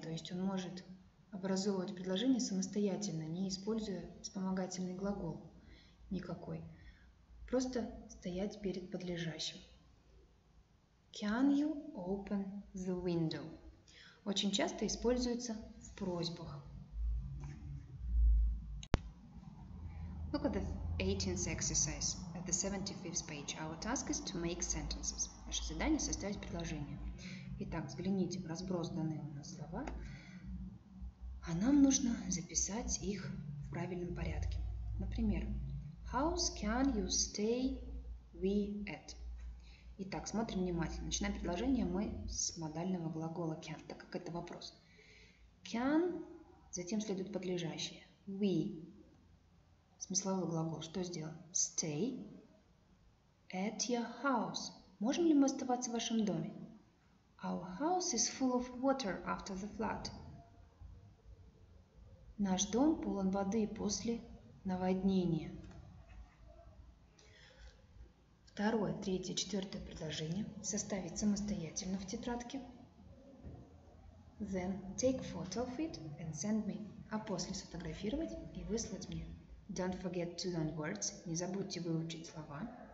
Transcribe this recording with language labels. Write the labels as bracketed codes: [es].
[ru] То есть он может образовывать предложение самостоятельно, не используя вспомогательный глагол. Никакой. Просто стоять перед подлежащим. [en] Can you open the window? [ru] Очень часто используется в просьбах. [en] Look at the 18th exercise at the 75th page. Our task is to make sentences. [ru] Наше задание составить предложение. Итак, взгляните в разброс данные у нас слова. А нам нужно записать их в правильном порядке. [en] Например, house can you stay we at? [ru] Итак, смотрим внимательно. Начинаем предложение мы с модального глагола can, так как это вопрос. Can, затем следует подлежащее. We, смысловой глагол. Что сделаем? [en] Stay at your house. [ru] Можем ли мы оставаться в вашем доме? [en] Our house is full of water after the flood. [ru] Наш дом полон воды после наводнения. Второе, третье, четвертое предложение составить самостоятельно в тетрадке. [en] Then take photo of it and send me. [ru] А после сфотографировать и выслать мне. [en] Don't forget to learn words. [ru] Не забудьте выучить слова.